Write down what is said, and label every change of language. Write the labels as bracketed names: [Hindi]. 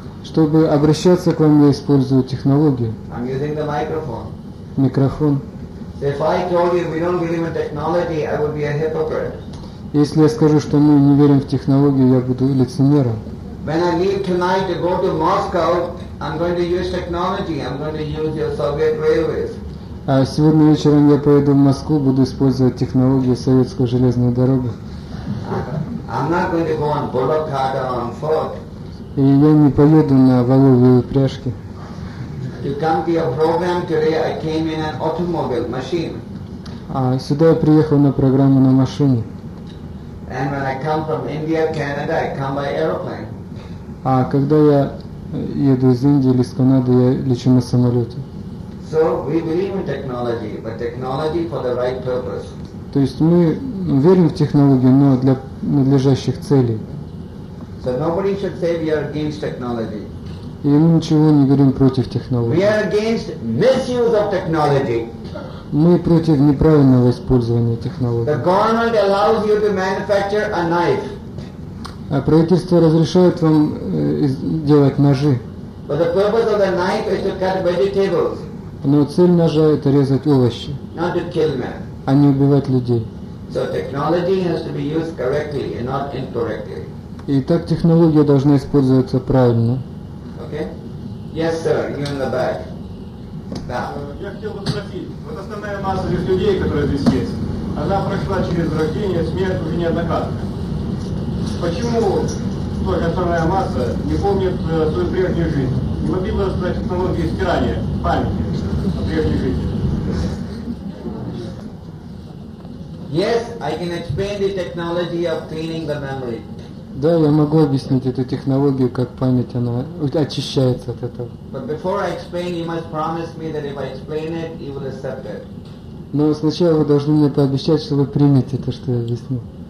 [Russian] Чтобы обращаться к вам, я использую технологию. [English] I'm using the microphone. [Russian] Микрофон. [English] So if I told you we don't believe in technology, I would be a hypocrite. [Russian] Если я скажу, что мы не верим в технологию, я буду лицемером. [English] When I leave tonight to go to Moscow, I'm going to use technology. I'm going to use your Soviet railways. [Russian] А сегодня вечером я поеду в Москву, буду использовать технологии советской железной дороги. [English] I'm not going to go on Bullock-Carter on foot. [Russian] И я не поеду на воловьи упряжки. [English] To come to your program today, I came in an automobile machine. [Russian] А сюда я приехал на программу на машине. [English] And when I come from India, Canada, I come by aeroplane. [Russian] А когда я еду из Индии или из Канады, я лечу на самолете. [English] So we believe in technology, but technology for the right purpose. [Russian] То есть мы верим в технологию, но для надлежащих целей. [English] So nobody should say we are against technology. [Russian] И мы ничего не говорим против технологии. [English] We are against misuse of technology. [Russian] Мы против неправильного использования технологий. [English] The government allows you to manufacture a knife. [Russian] А правительство разрешает вам делать ножи. [English] But the purpose of the knife is to cut vegetables. [Russian] Но цель ножа – это резать овощи. [English] Not to kill men. [Russian] А не убивать людей. [English] So technology has to be used correctly and not incorrectly. [Russian] Итак, технология должна использоваться правильно. [English] Okay. Yes, sir. You in the back. [Russian] Я хотел бы спросить, вот основная масса из людей, которые здесь есть, она прошла через рождение, смерть уже неоднократно. Почему только основная масса не помнит свою прежнюю жизнь? Не могли бы рассказать технологии стирания памяти о прежней жизни? [English] Yes, I can explain the technology of cleaning the memory. [Russian] Да, я могу объяснить эту технологию, как память она очищается от этого. [English] But before I explain, you must promise me that if I explain it, you will accept it. [Russian] Но сначала вы должны мне пообещать, что вы примете то, что я объяснил.